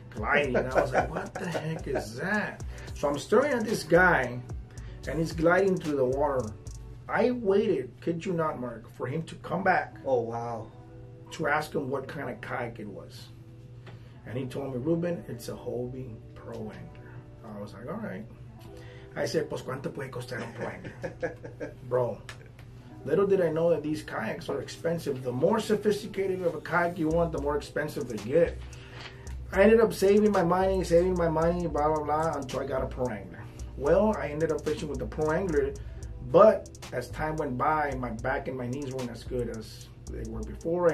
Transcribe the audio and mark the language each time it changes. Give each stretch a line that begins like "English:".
English: I was like, what the heck is that? So I'm staring at this guy, and he's gliding through the water. I waited, kid you not, Mark, for him to come back. Oh, wow. To ask him what kind of kayak it was. And he told me, Ruben, it's a Hobie Pro Angler. I was like, all right. I said,
Spanish: pues, ¿cuánto puede costar un Pro Angler?
English: Bro. Little did I know that these kayaks are expensive. The more sophisticated of a kayak you want, the more expensive they get. I ended up saving my money, blah, blah, blah, until I got a Pro Angler. Well, I ended up fishing with the Pro Angler, but as time went by, my back and my knees weren't as good as they were before.